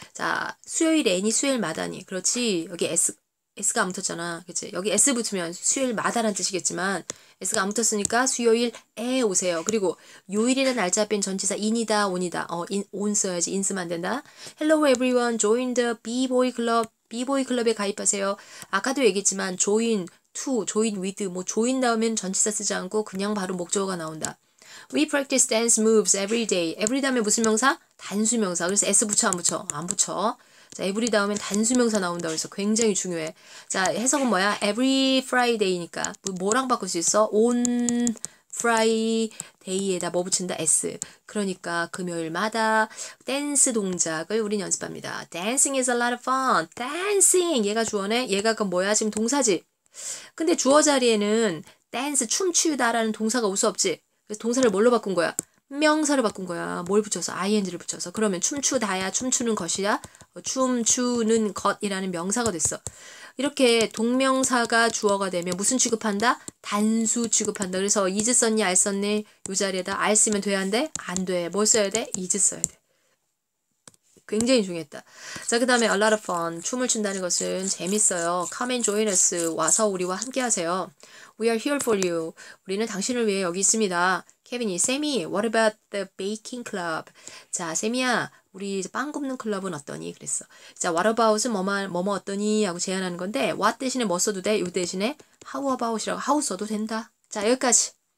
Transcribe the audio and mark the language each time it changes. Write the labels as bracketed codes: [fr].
[ko] 자, 수요일에니, 수요일마다니. 그렇지. 여기 S가 안 붙었잖아. 그치? 여기 S 붙으면 수요일마다란 뜻이겠지만, S가 안 붙었으니까 수요일에 오세요. 그리고, 요일이라는 날짜 앞엔 전치사 in이다, on이다. [en] on 써야지. in 쓰면 안 된다. Hello everyone. Join the B-boy club. [ko] B-boy club에 가입하세요. 아까도 얘기했지만, join to, join with. 뭐, join 나오면 전치사 쓰지 않고 그냥 바로 목적어가 나온다. [en] We practice dance moves every day. [ko] Every 다음에 무슨 명사? 단수 명사. 그래서 S 붙여, 안 붙여? 안 붙여. 자, every 다음엔 단수명사 나온다고 해서 굉장히 중요해. 자, 해석은 뭐야? [en] Every Friday니까. [ko] 뭐랑 바꿀 수 있어? On Friday에다 뭐 붙인다? [en] S. [ko] 그러니까 금요일마다 댄스 동작을 우린 연습합니다. [en] Dancing is a lot of fun. Dancing! [ko] 얘가 주어네? 얘가 그 뭐야? 지금 동사지? 근데 주어 자리에는 댄스, 춤추다라는 동사가 올수 없지. 그래서 동사를 뭘로 바꾼 거야? 명사를 바꾼 거야. 뭘 붙여서? ing를 붙여서. 그러면 춤추다야, 춤추는 것이야? 춤추는 것이라는 명사가 됐어. 이렇게 동명사가 주어가 되면 무슨 취급한다? 단수 취급한다. 그래서 is 썼니, are 썼니? 이 자리에다 are 쓰면 돼, 안 돼? 안 돼. 뭘 써야 돼? is 써야 돼. 굉장히 중요했다. 자, 그 다음에 [en] a lot of fun. [ko] 춤을 춘다는 것은 재밌어요. [en] Come and join us. [ko] 와서 우리와 함께 하세요. [en] We are here for you. [ko] 우리는 당신을 위해 여기 있습니다. [en] 케빈이, 세미, what about the baking club? [ko] 자, 세미야, 우리 빵 굽는 클럽은 어떠니? 그랬어. 자, what about은 뭐뭐 어떠니? 하고 제안하는 건데, what 대신에 뭐 써도 돼? 요 대신에 how about이라고, how 써도 된다. 자, 여기까지.